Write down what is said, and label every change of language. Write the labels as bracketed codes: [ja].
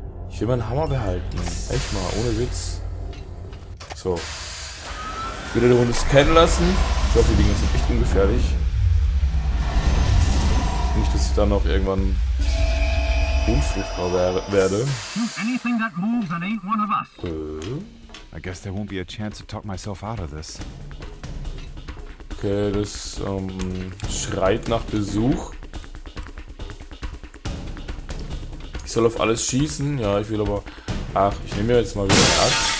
[de] Ich will meinen Hammer behalten. Echt mal, ohne Witz. So. Wieder die Runde scannen lassen. Ich hoffe, die Dinger sind echt ungefährlich. Nicht, dass ich dann noch irgendwann unfruchtbar werde. [en] I guess there won't be a chance to talk myself out of this. [de] Okay, das schreit nach Besuch. Ich soll auf alles schießen. Ja, ich will aber... Ach, ich nehme mir jetzt mal wieder ab.